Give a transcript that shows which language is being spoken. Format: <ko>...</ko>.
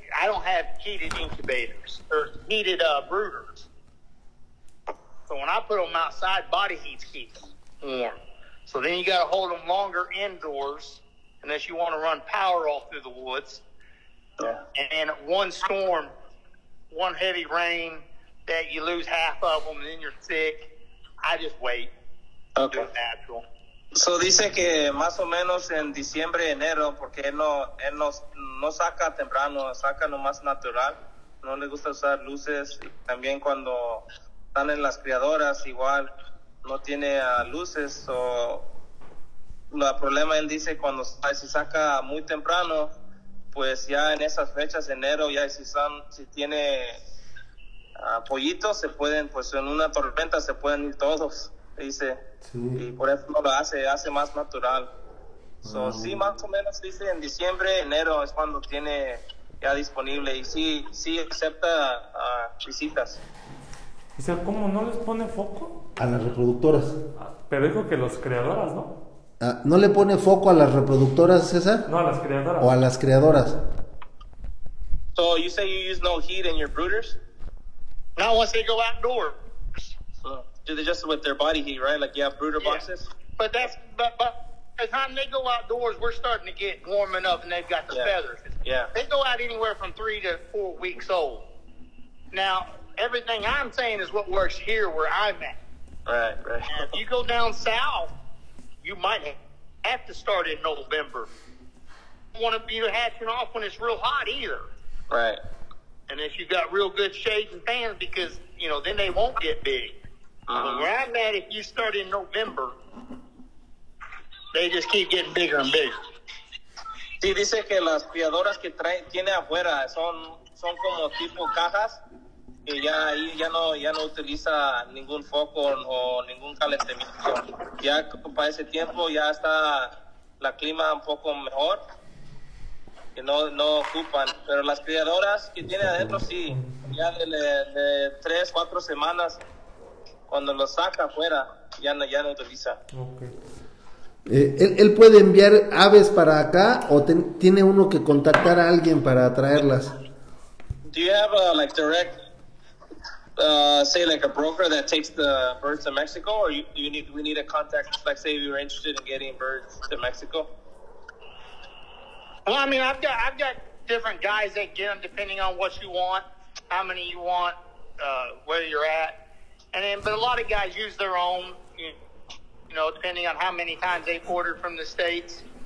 <en>I don't have heated incubators or heated brooders, so when I put them outside, body heat keeps them warm. So then you got to hold them longer indoors, unless you want to run power all through the woods. Yeah. And one storm, one heavy rain, that you lose half of them and then you're sick. I just wait. Okay. Do it natural.</en> <es>So dice que más o menos en diciembre, enero, porque él no saca temprano, saca nomás natural. No le gusta usar luces. También cuando están en las criadoras, igual no tiene luces. So, el problema, él dice, cuando se saca muy temprano, pues ya en esas fechas, enero, ya si tiene... pollitos, se pueden, pues en una tormenta se pueden ir todos, dice. Sí. Y por eso no lo hace más natural. So, sí, más o menos, dice, en diciembre, enero es cuando tiene ya disponible, y sí acepta visitas. O sea, ¿cómo no les pone foco? A las reproductoras. Pero dijo que los criadoras, ¿no? ¿No le pone foco a las reproductoras, César? No, a las criadoras. ¿O a las criadoras?</es> <en>So, you say you use no heat in your brooders? Not once they go outdoors. So, do they just with their body heat, right? Like you have brooder boxes? But by the time they go outdoors, we're starting to get warm enough and they've got the feathers. Yeah. They go out anywhere from 3 to 4 weeks old. Now, everything I'm saying is what works here where I'm at. Right, right. And if you go down south, you might have to start in November. You don't want to be hatching off when it's real hot either. Right. And if you've got real good shades and fans, because, you know, then they won't get big. Uh-huh. Where I'm at, if you start in November, they just keep getting bigger and bigger.</en> <es>Sí, dice que las criadoras que tiene afuera son como tipo cajas, y ya ahí ya no utiliza ningún foco o ningún calentamiento. Ya para ese tiempo ya está la clima un poco mejor. Que no ocupan, pero las criadoras que tiene adentro sí, ya de 3-4 semanas, cuando lo saca afuera, ya no utiliza. Okay. ¿Él puede enviar aves para acá o tiene uno que contactar a alguien para traerlas?</es> <en>Do you have like direct, say like a broker that takes the birds to Mexico, or we need a contact, like say you're interested in getting birds to Mexico? Well, I mean, I've got different guys that get them depending on what you want, how many you want, where you're at, but a lot of guys use their own, you know, depending on how many times they've ordered from the States.</en>